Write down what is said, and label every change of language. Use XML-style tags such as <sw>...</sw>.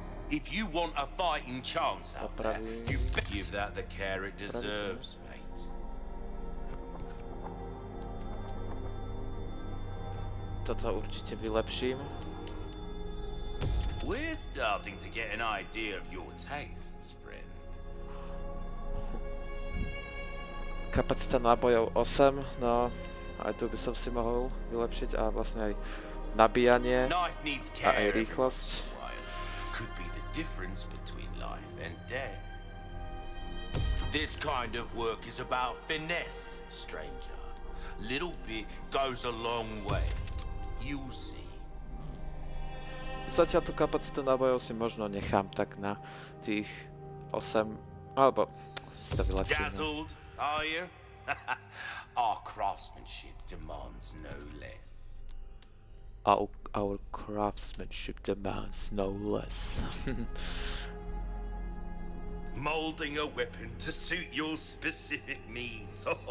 <en>If you want a fighting chance out there, you better give that the care it deserves, mate.</en> <sk>Toto určite vylepším.</sk> <en>We're starting to get an idea of your tastes, friend.</en> <sk>Kapacita nábojov 8, no aj tu by som si mohol vylepšiť a vlastne aj nabíjanie a aj rýchlosť.</sk> <en>Could be the difference between life and death. This kind of work is about finesse, stranger. Little bit goes a long way. You'll see.</en> <sk>Zatiaľ tú kapacitu nábojov si možno nechám tak na tých 8, alebo si to vylepšíme.</sk> <en>Are you? Our craftsmanship demands no less. Our craftsmanship demands no less. molding a weapon to suit your specific needs.</en>